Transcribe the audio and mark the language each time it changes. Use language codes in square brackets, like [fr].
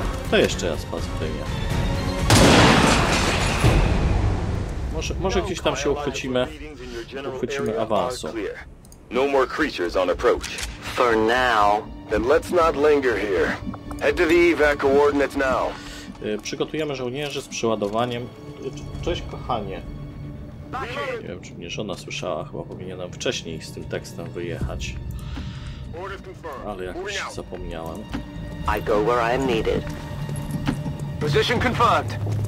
[pl] To jeszcze raz pacnienie. Może gdzieś tam się uchwycimy awansu. [en] No more creatures on approach. For now. Then let's not linger here. Head to the evac coordinates now. [pl] Przygotujemy żołnierzy z przeładowaniem. Cześć, kochanie. Nie wiem, czy mnie żona słyszała. Chyba powinienem wcześniej z tym tekstem wyjechać. Ale jakoś zapomniałem. [en] I go where I am needed. Position confirmed.